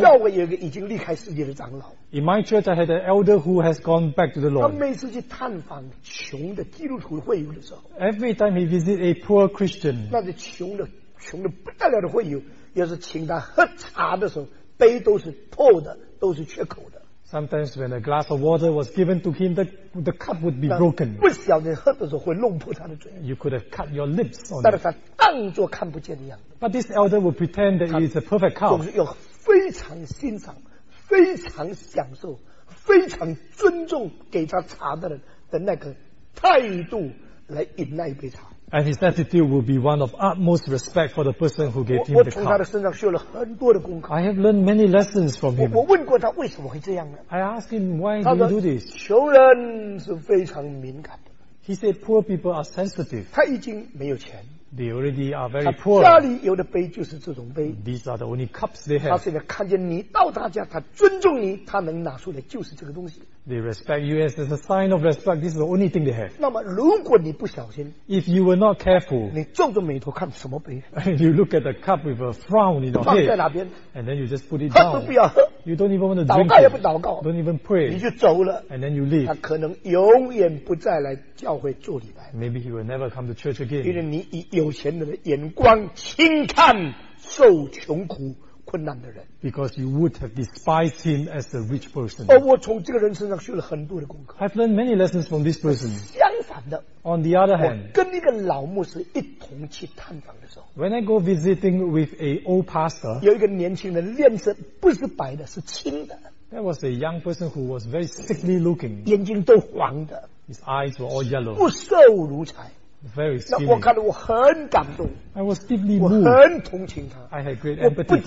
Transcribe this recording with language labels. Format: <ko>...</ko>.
<zh>教会有一个已经离开世界的长老。</zh> <en>In my church, I had an elder who has gone back to the Lord.</en> <zh>他每次去探访穷的基督徒会友的时候。</zh> <en>Every time he visits a poor Christian.</en> <zh>那些穷的穷的不得了的会友，要是请他喝茶的时候。杯都是破的，都是缺口的。</zh> <en>Sometimes when a glass of water was given to him, the cup would be broken.</en> <zh>不晓得喝的时候会弄破他的嘴。</zh> <en>You could have cut your lips on it.</en> <zh>但是他当作看不见的样子。</zh> <en>But this elder would pretend that it is a perfect cup.</en> <zh>总是要非常欣赏、非常享受、非常尊重给他茶的人的那个态度来饮那一杯茶。</zh> <en>And his attitude will be one of utmost respect for the person who gave him the cup.</en> <zh>我从他的身上学了很多的功课。</zh> <en>I have learned many lessons from him.</en> <zh>我问过他为什么会这样呢</zh> <en>？I asked him why do you do this.</en> <zh>穷人是非常敏感的。</zh> <en>He said poor people are sensitive.</en> <zh>他已经没有钱。</zh> <en>They already are very poor.</en> <zh>家里有的杯就是这种杯。</zh> <en>These are the only cups they have.</en> <zh>他现在看见你到他家，他尊重你，他能拿出来就是这个东西。</zh> <en>They respect you as a sign of respect. This is the only thing they have.</en> <zh>那么如果你不小心</zh> <en>，If you were not careful,</en> <zh>你皱着眉头看什么杯</zh> <en>？You look at the cup with a frown, you know.</en> <zh>放在哪边</zh> <en>？And then you just put it down.</en> <zh>喝都不要喝。</zh> <en>You don't even want to drink.</en> <zh>祷告也不祷告。</zh> <en>Don't even pray.</en> <zh>你就走了。</zh> <en>And then you leave.</en> <zh>他可能永远不再来教会做礼拜。</zh> <en>Maybe he will never come to church again.</en> <zh>因为你以有钱人的眼光轻看受穷苦。困难的人</zh> <en>，because you would have despised him as a rich person.</en> <zh>而我从这个人身上学了很多的功课。</zh> <en>I've learned many lessons from this person.</en> <zh>相反的</zh> <en>，on the other hand，</en> <zh>我跟一个老牧师一同去探访的时候</zh> <en>，when I go visiting with a old pastor，</en> <zh>有一个年轻人脸色不是白的，是青的。</zh> <en>There was a young person who was very sickly looking，</en> <zh>眼睛都黄的</zh> <en>，his eyes were all yellow，</en> <zh>不瘦如柴</zh> <en>Very serious.</en> <zh>那我看了我很感动。</zh> <en>I was deeply moved.</en> <zh>我很同情他。</zh> <en>I had great empathy for him.</en>